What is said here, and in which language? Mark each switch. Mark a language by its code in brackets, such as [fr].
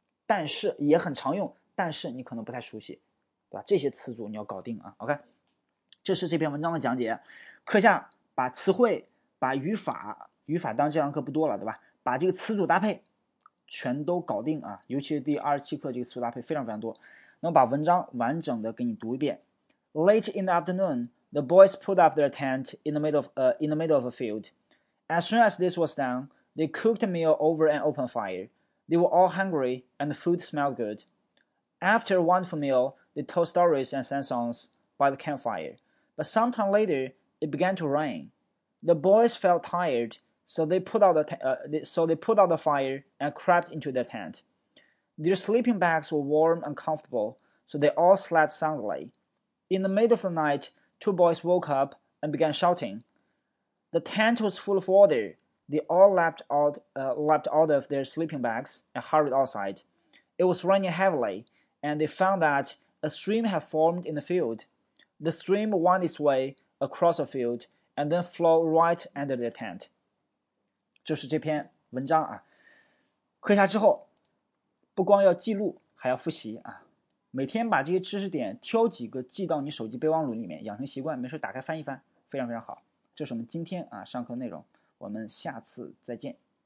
[zh] 但是也很常用，但是你可能不太熟悉，对吧？这些词组你要搞定啊。OK，这是这篇文章的讲解。课下把词汇、把语法，当这堂课不多了，对吧？把这个词组搭配全都搞定啊。尤其是第27课这个词组搭配非常非常多。那么把文章完整的给你读一遍。 [en] Late in the afternoon, the boys put up their tent in the middle of a field. As soon as this was done, they cooked a meal over an open fire. They were all hungry, and the food smelled good. After a wonderful meal, they told stories and sang songs by the campfire. But sometime later, it began to rain. The boys felt tired, so they put out the fire and crept into their tent. Their sleeping bags were warm and comfortable, so they all slept soundly. In the middle of the night, two boys woke up and began shouting. The tent was full of water. They all leapt out of their sleeping bags and hurried outside. It was raining heavily, and they found that a stream had formed in the field. The stream wound its way across a field and then flowed right under their tent. [zh] 就是这篇文章啊，课下之后，不光要记录，还要复习啊。每天把这些知识点挑几个记到你手机备忘录里面，养成习惯，没事打开翻一翻，非常非常好。这是我们今天啊上课内容。我们下次再见。